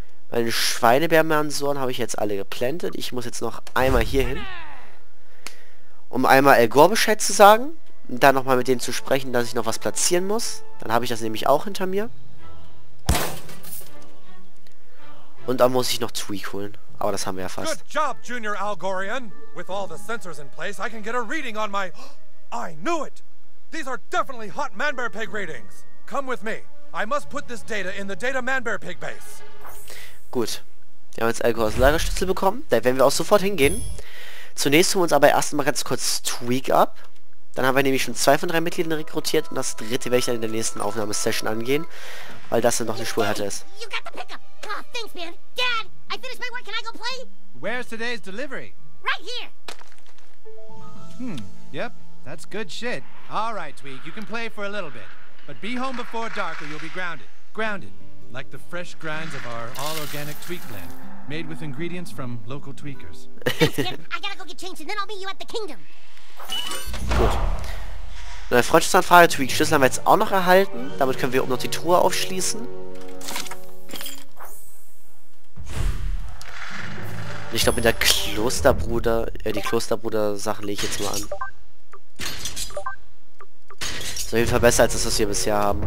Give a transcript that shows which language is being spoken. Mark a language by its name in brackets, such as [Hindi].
[German] Meine Schweinebärmansoren habe ich jetzt alle geplantet. Ich muss jetzt noch einmal hier hin. Um einmal Al Gore Bescheid zu sagen. Dann nochmal mit denen zu sprechen, dass ich noch was platzieren muss. Dann habe ich das nämlich auch hinter mir. Und dann muss ich noch Tweak holen. Aber das haben wir ja fast. [English] Good job, Junior Algorian. With all the sensors in place, I can get a reading on my... I knew it! These are definitely hot Manbear Pig readings. Come with me. I must put this data in the data Manbear Pig base. [German] Gut. Wir haben jetzt Algorians Lagerschlüssel bekommen. Da werden wir auch sofort hingehen. Zunächst holen wir uns aber erstmal ganz kurz Tweak ab. Dann haben wir nämlich schon 2 von 3 Mitgliedern rekrutiert und das dritte werde ich dann in der nächsten Aufnahmesession angehen, weil das dann noch eine Spur hatte ist. [English] You got the pickup. Oh, thanks, man. Dad, I finished my work. Can I go play? Where's today's delivery? Right here. Hmm, yep. That's good shit. All right, Tweak, you can play for a little bit. But be home before dark or you'll be grounded. Grounded. Like the fresh grinds of our all-organic Tweak blend. Made with ingredients from local tweakers. Thanks, kid. I gotta go get changed and then I'll meet you at the kingdom. [German] Gut. Neue Freundschaftsanfrage, Tweak. Schlüssel haben wir jetzt auch noch erhalten. Damit können wir oben noch die Truhe aufschließen. Ich glaube, mit der Klosterbruder... die Klosterbruder-Sachen lege ich jetzt mal an. Ist auf jeden Fall besser als das, was wir bisher haben.